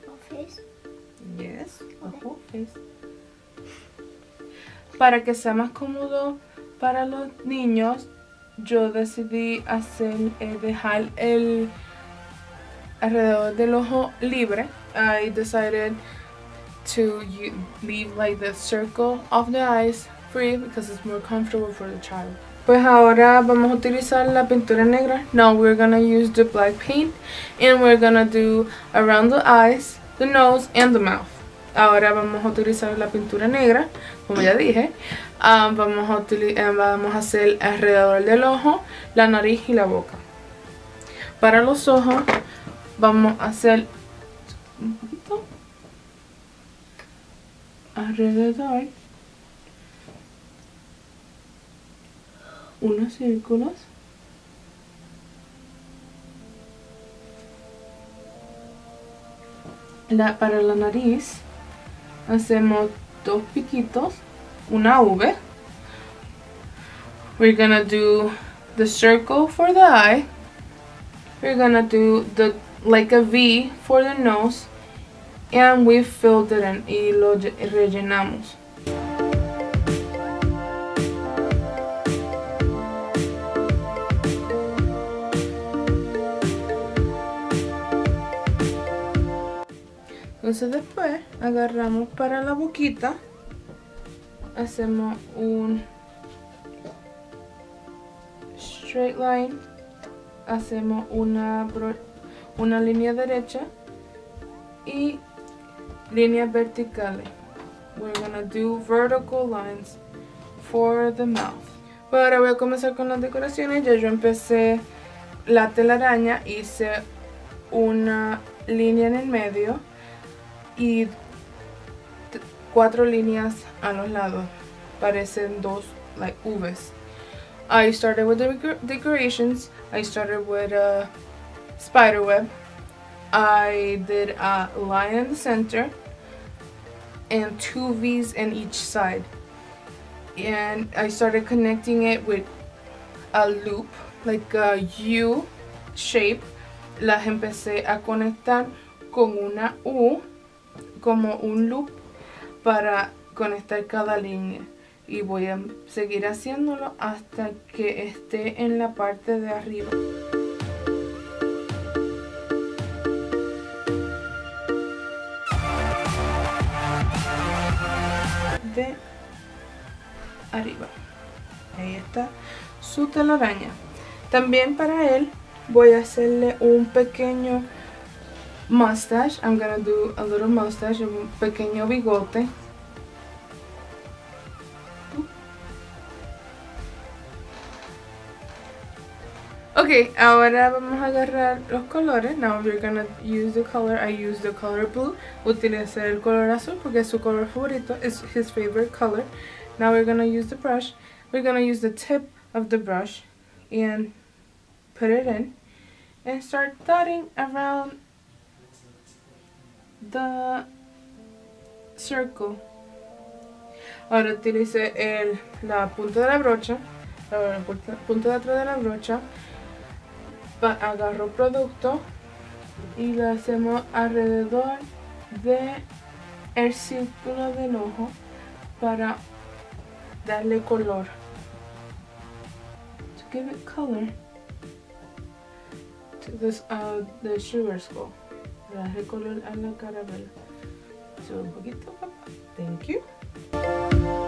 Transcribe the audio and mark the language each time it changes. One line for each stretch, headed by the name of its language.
English: Whole face? Yes, okay. The whole face.
Spanish: Para que sea más cómodo para los niños, yo decidí dejar el alrededor del ojo libre.
English: I decided to leave like the circle of the eyes free because it's more comfortable for the child.
Spanish: Pues ahora vamos a utilizar la pintura negra.
English: Now we're gonna use the black paint and we're gonna do around the eyes, the nose and the mouth.
Spanish: Ahora vamos a utilizar la pintura negra, como ya dije. Vamos a hacer alrededor del ojo, la nariz y la boca. Para los ojos, vamos a hacer un poquito alrededor, unos círculos. Para la nariz, hacemos dos piquitos, una V.
English: We're gonna do the circle for the eye. We're gonna do the like a V for the nose, and we filled it in
Spanish: y lo rellenamos. Entonces después agarramos para la boquita, hacemos un straight line, hacemos una línea derecha y líneas verticales.
English: We're gonna do vertical lines for the mouth.
Spanish: Pues ahora voy a comenzar con las decoraciones. Ya yo empecé la telaraña, hice una línea en el medio y cuatro líneas a los lados. Parecen dos,
English: like, V's. I started with the decorations. I started with a spider web. I did a line in the center and two V's in each side. And I started connecting it with a loop, like a U shape.
Spanish: Las empecé a conectar con una U, como un loop, para conectar cada línea. Y voy a seguir haciéndolo hasta que esté en la parte de arriba. Arriba, ahí está su telaraña. También para él voy a hacerle un pequeño mustache.
English: I'm gonna do a little mustache,
Spanish: un pequeño bigote.
English: Ok, Ok,
Spanish: ahora vamos a agarrar los colores.
English: Now we're gonna use the color. I use the color blue.
Spanish: Utilicé el color azul porque es su color favorito.
English: It's his favorite color. Now we're gonna use the brush. We're gonna use the tip of the brush and put it in and start dotting around the circle.
Spanish: Ahora utilicé la punta de la brocha, la punta de atrás de la brocha. Agarro producto y lo hacemos alrededor de el círculo del ojo para darle color.
English: To give it color to this the sugar skull.
Spanish: Para darle color a la carabela. Subo un poquito.
English: Thank you.